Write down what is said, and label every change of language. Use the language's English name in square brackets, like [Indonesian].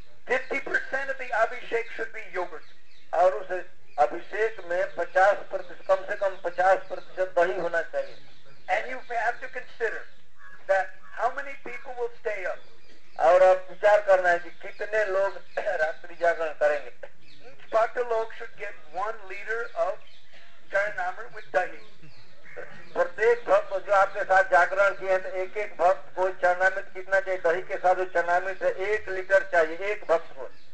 [English] 50% of the abhishek should be yogurt. [Hindi] और उस अभिषेक में 50% कम से कम 50% दही होना चाहिए. [English] And you have to consider that how many people will stay up. [Hindi] और आप विचार करना है कि कितने लोग रात्रि जागरण करेंगे. [English] Each bhakta log should get 1 liter of charanamrit with dahi. [Hindi] प्रत्येक भक्त जो आपके साथ जागरण किए हैं तो एक एक भक्त को चरणामृत कितना चाहिए दही के साथ, जो चरणामृत है 1 लीटर चाहिए एक भक्त को.